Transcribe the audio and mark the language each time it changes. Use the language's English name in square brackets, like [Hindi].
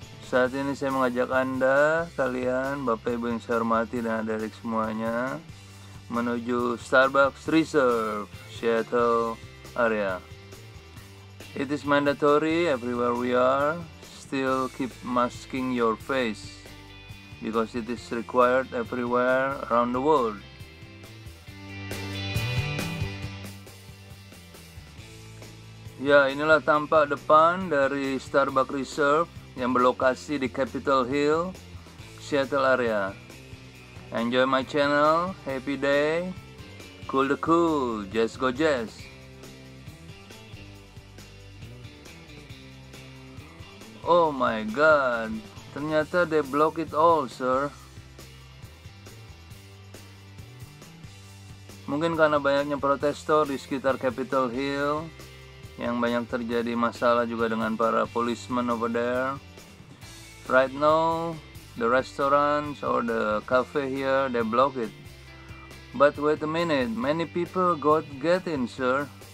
[Indonesian] Saat ini saya mengajak Anda, kalian, Bapak Ibu yang saya hormati dan adik-adik semuanya, menuju Starbucks Reserve, Seattle area. [English] It is mandatory everywhere we are, still keep masking your face, because it is required everywhere around the world. [Indonesian] Ya, inilah tampak depan dari Starbucks Reserve yang berlokasi di Capitol Hill, Seattle area. [English] Enjoy my channel, happy day, cool the cool, jazz go jazz. Oh my god, [Indonesian] ternyata [English] they block it all, sir. [Indonesian] Mungkin karena banyaknya protestor di sekitar Capitol Hill, yang banyak terjadi masalah juga dengan para policemen [English] over there. Right now, the restaurants or the cafe here, they block it. But wait a minute, many people got get in, sir.